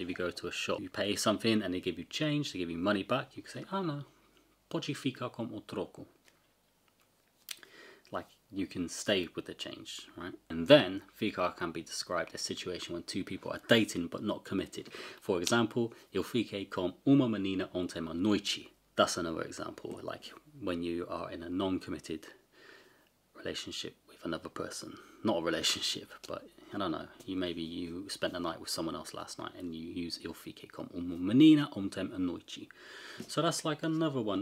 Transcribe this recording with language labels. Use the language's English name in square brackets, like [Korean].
[English] If you go to a shop, you pay something and they give you change, they give you money back, you can say, ah, no, [Portuguese] pode ficar com o troco. [English] Like, you can stay with the change, right? And then, ficar can be described as a situation when two people are dating but not committed. For example, [Portuguese] eu fiquei com uma menina ontem à noite. [English] That's another example, like, when you are in a non-committed relationship with another person. Not a relationship, but I don't know. Maybe you spent the night with someone else last night and you use [Portuguese] eu fiquei com uma menina ontem à noite. [English] So that's like another one.